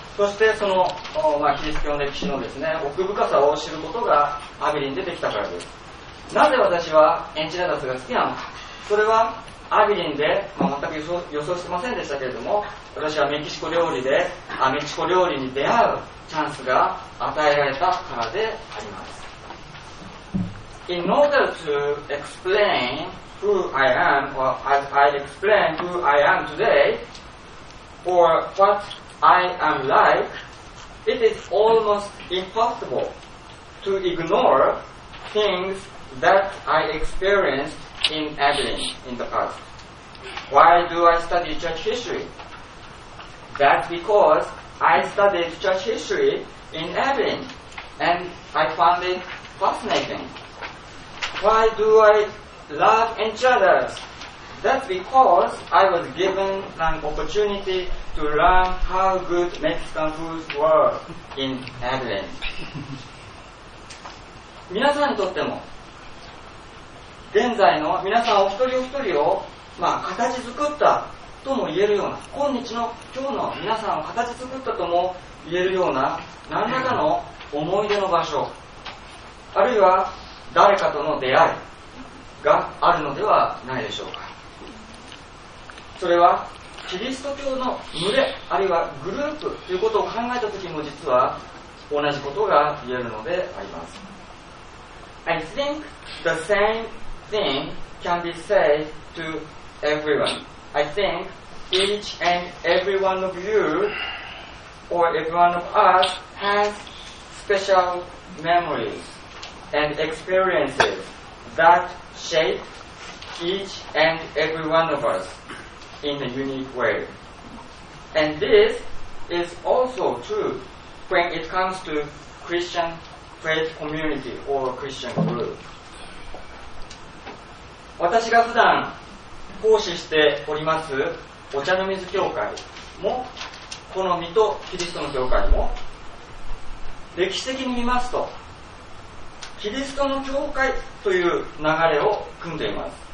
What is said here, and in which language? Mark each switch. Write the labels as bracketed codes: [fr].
[ja] そしてその、キリスト教の歴史のですね、奥深さを知ることがアビリンでできたからです。なぜ私はエンチラダスが好きなのか、それはアビリンで、全く予想してませんでしたけれども、私はメキシコ料理でメキシコ料理に出会うチャンスが与えられたからであります。 [en] In order to explainwho I am, or as I explain who I am today, or what I am like, it is almost impossible to ignore things that I experienced in Evelyn in the past. Why do I study church history? That's because I studied church history in Evelyn, and I found it fascinating. Why do I... love enchiladas? That's because I was given an opportunity to learn how good Mexican foods were in Evelyn. [ja] 皆さんにとっても現在の皆さんお一人お一人を、形作ったとも言えるような今日の今日の皆さんを形作ったとも言えるような何らかの思い出の場所、あるいは誰かとの出会いがあるのではないでしょうか。それはキリスト教の群れあるいはグループということを考えたときも実は同じことが言えるのであります。 [en] I think the same thing can be said to everyone. I think each and every one of you or every one of us has special memories and experiences that shape each and every one of us in a unique way. And this is also true when it comes to Christian faith community or Christian group. [ja] 私が普段奉仕しておりますお茶の水教会もこの水戸キリストの教会も歴史的に見ますとキリストの教会という流れを組んでいます。